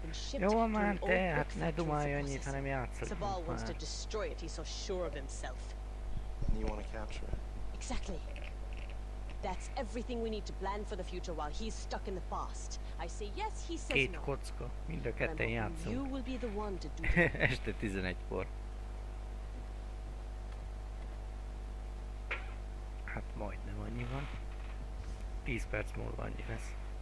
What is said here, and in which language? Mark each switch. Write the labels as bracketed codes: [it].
[hu] Jó van, te, hát ne dumálj annyit, hanem játszol. [en] Sabal wants to destroy it, he's so sure of himself. And you want to capture it. Exactly. That's everything we need to plan for the future while he's stuck in the past. I say yes, he says [hu] no. Két kocka, mind a ketten játszunk. [en] You will be the one to do [hu] este 11-kor. Hát majdnem annyi van. 10 perc múlva annyi lesz.